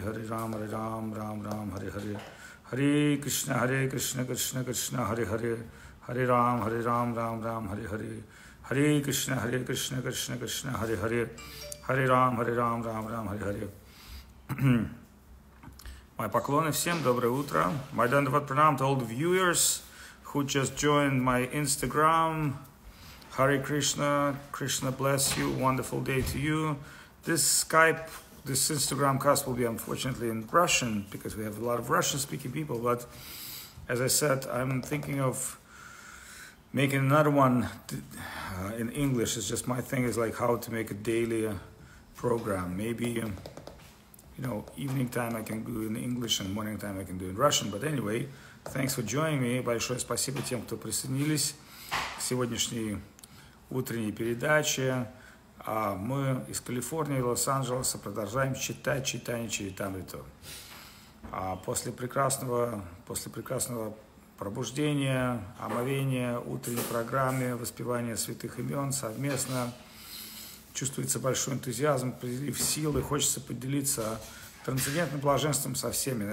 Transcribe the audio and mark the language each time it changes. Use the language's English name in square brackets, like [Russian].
[Sanskrit] Харе Рама, Харе Рама, Рама Рама, Харе Харе. Харе Кришна, Харе Кришна, Кришна Кришна, Харе Харе. Харе Рама, Харе Рама, Рама Рама, Харе Харе. Харе Кришна, Харе Кришна, Кришна Кришна, Харе Харе. Харе Рама, Харе Рама, Рама Рама, Харе Харе. [Russian] Мои поклоны всем, доброе утро. [English] My dandavat pranam to all the viewers who just joined my Instagram. Hare Krishna, Krishna bless you, wonderful day to you. This Skype, this Instagram cast will be unfortunately in Russian because we have a lot of Russian-speaking people, but as I said, I'm thinking of making another one in English. It's just my thing is like how to make a daily program. Maybe, you know, evening time I can do in English and morning time I can do in Russian. But anyway, thanks for joining me. [Russian] Большое спасибо тем, кто присоединились к сегодняшней утренней передаче. А мы из Калифорнии, Лос-Анджелеса продолжаем читать читание Чаритамриту. А после прекрасного пробуждения, омовения, утренней программе, воспевания святых имен совместно чувствуется большой энтузиазм, прилив силы, хочется поделиться трансцендентным блаженством со всеми.